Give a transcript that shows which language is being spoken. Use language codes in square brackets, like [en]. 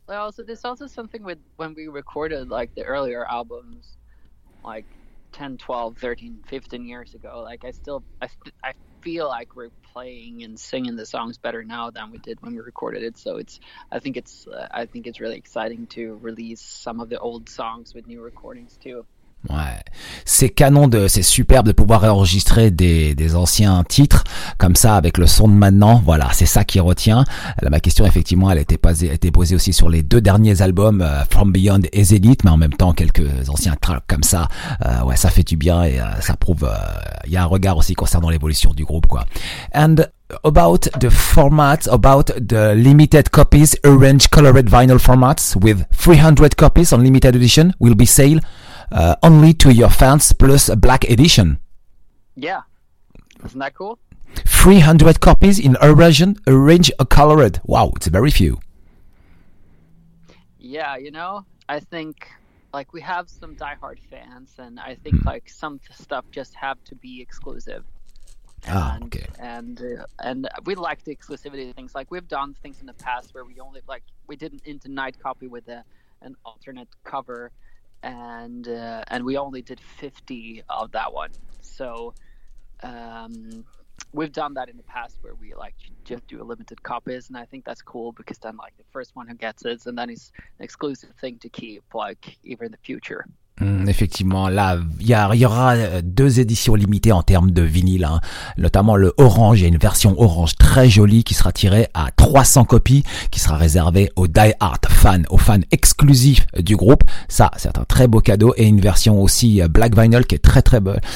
[en] But also, there's also something with when we recorded like the earlier albums, like 10, 12, 13, 15 years ago, like I feel like we're playing and singing the songs better now than we did when we recorded it. So I think it's really exciting to release some of the old songs with new recordings too. [fr] Ouais, c'est canon c'est superbe de pouvoir enregistrer des anciens titres comme ça avec le son de maintenant. Voilà, c'est ça qui retient. Là, ma question, effectivement, elle était posée aussi sur les deux derniers albums From Beyond et Zenith, mais en même temps quelques anciens tracks comme ça. Ouais, ça fait du bien et ça prouve. Il y a un regard aussi concernant l'évolution du groupe, quoi. [en] And about the formats, about the limited copies, arranged colored vinyl formats with 300 copies on limited edition will be sale. Only to your fans plus a black edition. Yeah, isn't that cool? 300 copies in arranged a colored. Wow, it's very few. Yeah, you know, I think like we have some diehard fans, and I think like some stuff just have to be exclusive. And we like the exclusivity of things. Like we've done things in the past where we only like we did an Internet copy with an alternate cover. And we only did 50 of that one. So we've done that in the past where we like just do a limited copies, and I think that's cool because then like the first one who gets it, and then it's an exclusive thing to keep like even in the future. [fr] Effectivement, là, il y aura deux éditions limitées en termes de vinyle, hein. Notamment le orange, il y a une version orange très jolie qui sera tirée à 300 copies, qui sera réservée aux die-hard fans, aux fans exclusifs du groupe. Ça, c'est un très beau cadeau. Et une version aussi black vinyl qui est très très belle.